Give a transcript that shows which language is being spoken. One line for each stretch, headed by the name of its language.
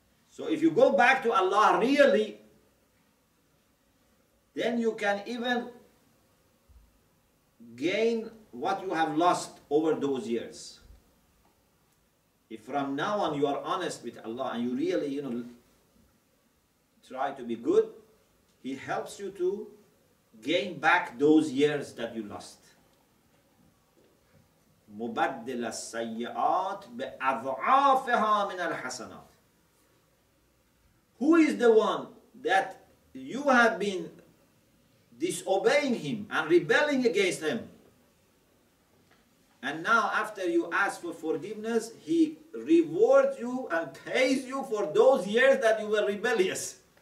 English: So if you go back to Allah really, then you can even gain what you have lost over those years. If from now on you are honest with Allah and you really, you know, try to be good, he helps you to gain back those years that you lost.
Arabic: مبدل السيئات بأضعافها من الحسنات.
English: Who is the one that you have been disobeying him and rebelling against him? And now after you ask for forgiveness, he rewards you and pays you for those years that you were rebellious.